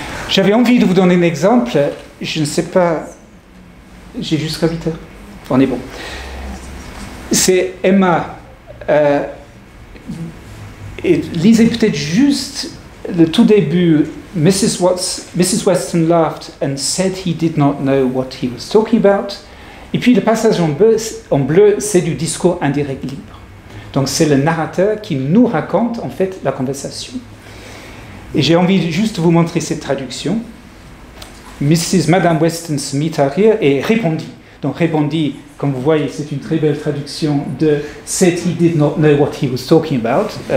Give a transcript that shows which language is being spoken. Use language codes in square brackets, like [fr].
[fr] J'avais envie de vous donner un exemple, je ne sais pas, j'ai jusqu'à 8 heures. On est bon. C'est Emma. Et lisez peut-être juste le tout début. [en] Mrs. Weston laughed and said he did not know what he was talking about. [fr] Et puis le passage en bleu, c'est du discours indirect libre. Donc c'est le narrateur qui nous raconte en fait la conversation. Et j'ai envie juste de vous montrer cette traduction. Madame Weston se mit à rire et répondit. Donc répondit, comme vous voyez, c'est une très belle traduction de [en] said he did not know what he was talking about.